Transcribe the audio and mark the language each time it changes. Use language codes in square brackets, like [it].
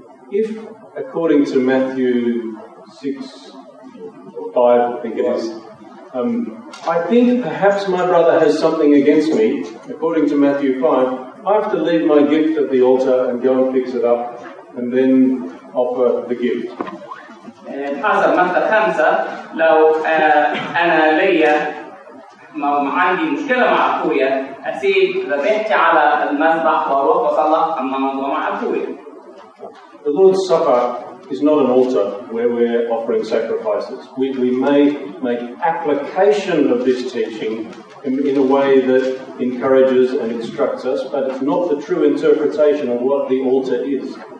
[en] If, according to Matthew 6 or 5, I think it is, I think perhaps my brother has something against me, according to Matthew 5, I have to leave my gift at the altar and go and fix it up and then offer the gift. [ar] حسب متى خمسة لو أنا ليا ما عندي مشكلة مع أخويا أسيب ذبحتي على المذبح وأروح أصلح الموضوع مع أخويا. [en] The Lord's Supper is not an altar where we're offering sacrifices. We may make application of this teaching in a way that encourages and instructs us, but it's not the true interpretation of what the altar is.